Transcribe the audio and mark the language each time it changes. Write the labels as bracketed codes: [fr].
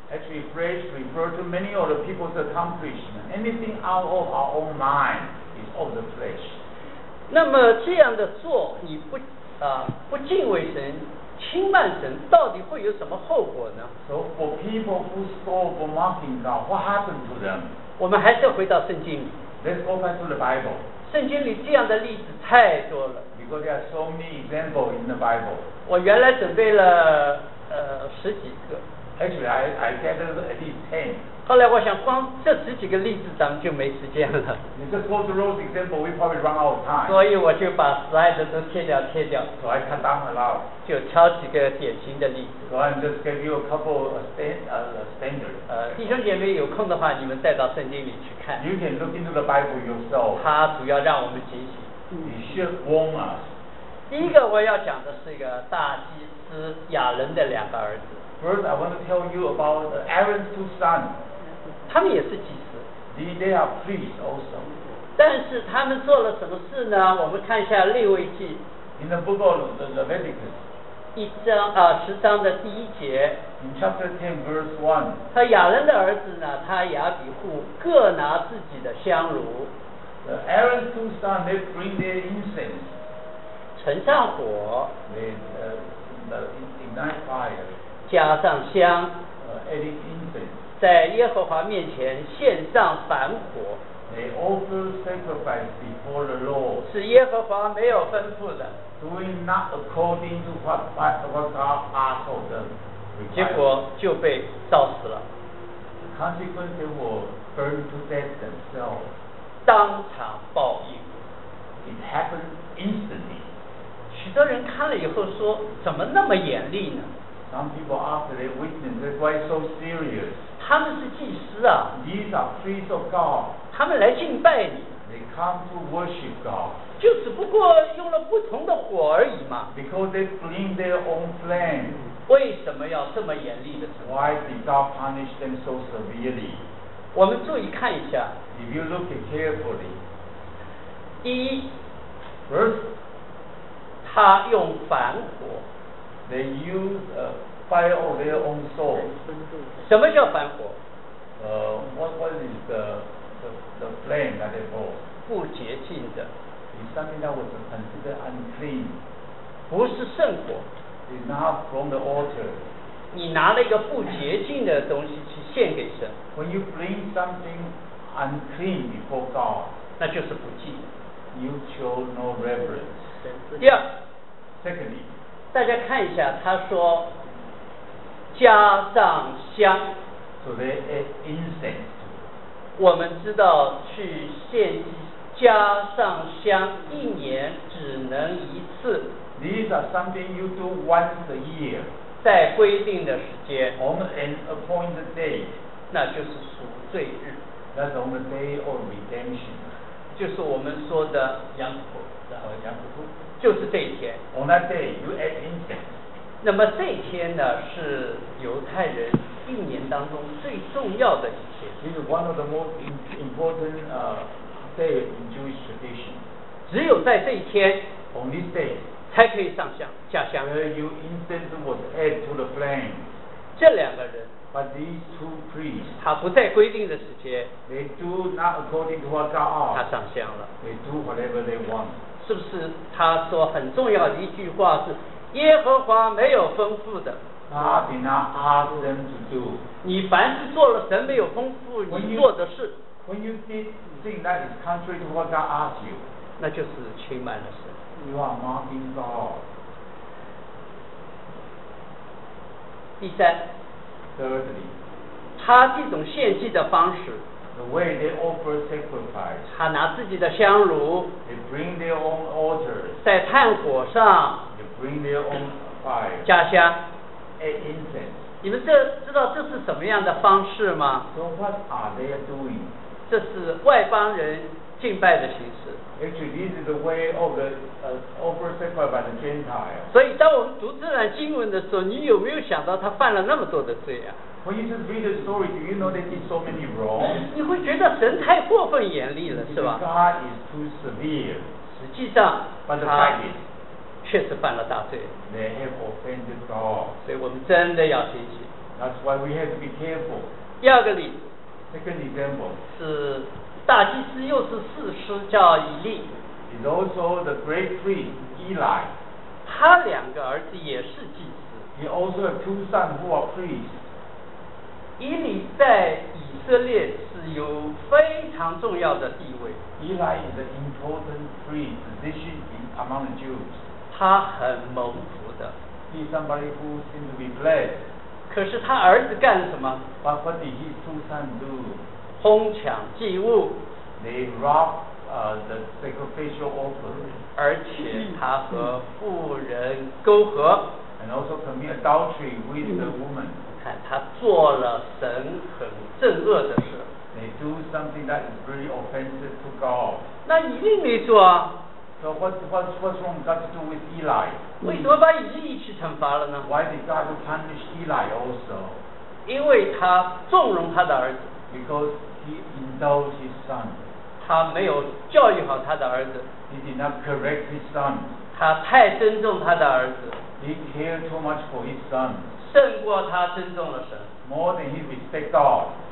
[en] Actually, flesh refers to many other people's accomplishment. Anything out of our own mind is of the flesh. [zh] 那么这样的做，你不不敬畏神，轻慢神，到底会有什么后果呢 [en] ？So for people who scorn for mocking God, what happened to them? [zh] 我们还是回到圣经里。 [en] Let's go back to the Bible. [zh] 圣经里这样的例子太多了。 [en] Because there are so many examples in the Bible. [zh] 我原来准备了10几个。 [en] Actually, I gathered at least 10. [zh] 后来我想光这十几个例子咱们就没时间了。 [en] You just go through those examples, we probably run out of time. [zh] 所以我就把 slide 都切掉。 [en] So I cut down a lot. [zh] 就挑几个典型的例子。 [en] So I'm just going to give you a couple of standards. [zh] 弟兄姐妹有空的话你们再到圣经里去看。 [en] You can look into the Bible yourself. [zh] 它主要让我们警醒。 [en] It should warn us. [zh] 第一个我要讲的是一个大祭司亚伦的两个儿子。 [en] First, I want to tell you about Aaron's two sons. [zh] 他们也是祭司。 [en] They are priests also. [zh] 但是他们做了什么事呢？我们看一下利未记。 [en] In the book of the Leviticus. [zh] 一章十章的第一节。 [en] In chapter 10, verse 1. [zh] 他亚伦的儿子呢？他亚比户各拿自己的香炉。 [en] The Aaron's two sons, they bring their incense. [zh] 盛上火。 [en] They ignite fire. [zh] 加上香、 [en] incense, [zh] 在耶和华面前献上燔火 [en] they offer sacrifice before the Lord, [zh] 是耶和华没有吩咐的 [en] doing not according to what God asked of them, [zh] 结果就被烧死了 [en] consequently will burn to death themselves [zh] 当场报应 [en] it happened instantly [zh] 许多人看了以后说怎么那么严厉呢 [en] Some people after they witness, they're quite so serious. [zh] 他们是祭司啊。 [en] These are priests of God. [zh] 他们来敬拜你。 [en] They come to worship God. [zh] 就只不过用了不同的火而已嘛。 [en] Because they bring their own flame. [zh] 为什么要这么严厉的惩罚 [en] Why did God punish them so severely? [zh] 我们注意看一下。 [en] If you look carefully. [zh] 第一。 [en] First. [zh] 他用燔火。 [en] They use fire of their own soul. [zh] 什么叫燔火？ [en] What is the flame that they hold? [zh] 不洁净的。 [en] It's something that was considered unclean. [zh] 不是圣火。 [en] It's not from the altar. [zh] 你拿了一个不洁净的东西去献给神。 [en] When you bring something unclean before God, [zh] 那就是不敬。 [en] You show no reverence. [zh] 第二。 [en] Secondly. [zh] 大家看一下，他说加上香。 [en] So they add incense. [zh] 我们知道去献加上香，一年只能一次。 [en] These are something you do once a year. [zh] 在规定的时间。 [en] On an appointed day. [zh] 那就是赎罪日。 [en] That's on the day of redemption. [zh] 就是我们说的羊骨。羊骨。就是这一天。 [en] On that day, you add incense. [zh] 那么这一天呢，是犹太人一年当中最重要的一天。 [en] This is one of the most important day in Jewish tradition. [zh] 只有在这一天 [en] ，On this day, [zh] 才可以上香下香。 [en] You incense was added to the flame. [zh] 这两个人 [en] ，But these two priests, [zh] 他不在规定的时间 [en] ，They do not according to what God asked. [zh] 他上香了 [en] ，They do whatever they want. [zh] 是不是他说很重要的一句话是耶和华没有吩咐的 [en] God did not ask them to do [zh] 你凡是做了神没有吩咐你做的事 [en] when you did think that is contrary to what God asked you [zh] 那就是轻慢的事 [en] you are mocking God [zh] 第三 [en] thirdly [zh] 他这种献祭的方式 [en] The way they offer sacrifice. [zh] 他拿自己的香炉 [en] They bring their own altars. [zh] 在炭火上 [en] They bring their own fire. [zh] 加香 [en] Add incense. [zh] 你们这知道这是什么样的方式吗 [en] So what are they doing? [zh] 这是外邦人敬拜的形式 [en] Actually this is the way of the offer sacrifice by the Gentile. [zh] 所以当我们读这段经文的时候你有没有想到他犯了那么多的罪啊 [en] When you just read the story, do you know they did so many wrong? [zh] 你会觉得神太过分严厉了，是吧 [en] ？God is too severe. [zh] 实际上 [en] ，But the fact is, [zh] 确实犯了大罪。 [en] They have offended God. [zh] 所以我们真的要警醒。 [en] That's why we have to be careful. [zh] 第二个例子 [en] ，Second example [zh] 是大祭司又是士师叫以利。 [en] It's also the great priest Eli. [zh] 他两个儿子也是祭司。 [en] He also has two sons who are priests. [zh] 伊利在以色列是有非常重要的地位。 [en] Eli is an important priest position among the Jews. [zh] 他很蒙福的。 [en] He's somebody who seems to be blessed. [zh] 可是他儿子干了什么 [en] ？But what did his two sons do? [zh] 哄抢祭物。 [en] They robbed the sacrificial offering. [zh] 而且他和妇人勾合。 [en] And also commit adultery with the woman. [zh] 看他做了神很正恶的事。 [en] They do something that is very offensive to God. [zh] 那以利没做啊。 [en] So what's wrong got to do with Eli? [zh] 为什么把以利一起惩罚了呢？ [en] Why did God punish Eli also? [zh] 因为他纵容他的儿子。 [en] Because he indulged his son. [zh] 他没有教育好他的儿子。 [en] He did not correct his son. [zh] 他太尊重他的儿子。 [en] He cared too much for his son. [zh] 胜过他尊重了神。 [en] More than he respected God.